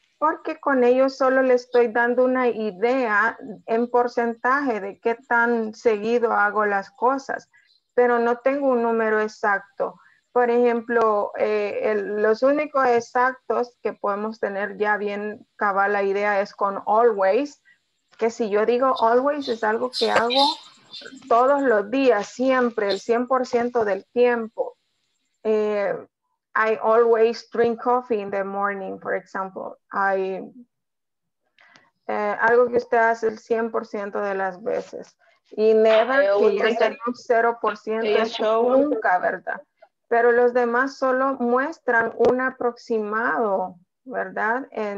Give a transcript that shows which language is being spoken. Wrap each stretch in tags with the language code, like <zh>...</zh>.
<es>Porque con ellos solo le estoy dando una idea en porcentaje de qué tan seguido hago las cosas, pero no tengo un número exacto. Por ejemplo, los únicos exactos que podemos tener ya bien cabal la idea es con always, que si yo digo always es algo que hago todos los días, siempre, el 100% del tiempo.</es> <en>I always drink coffee in the morning, for example.</en> <es>Algo que usted hace el 100% de las veces. Y never, que ya sería un 0%, nunca, ¿verdad? Pero los demás solo muestran un aproximado, ¿verdad?</es>